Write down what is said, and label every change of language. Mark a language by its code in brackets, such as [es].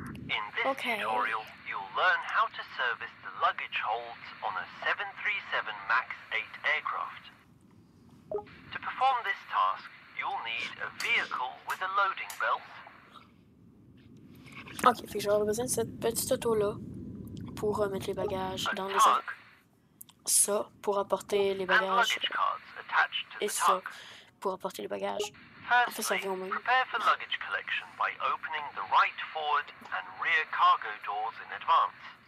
[en] In this tutorial, you'll learn how to service the luggage holds on a 737 MAX 8 aircraft. To perform this task, you'll need a vehicle with a loading belt. [fr] Ok, fait que j'aurai besoin de cette petite auto-là pour mettre les bagages a dans les airs. Ça, pour apporter les bagages. Et ça, pour apporter les bagages. [en] Firstly, prepare for luggage collection by opening the right forward and rear cargo doors in advance.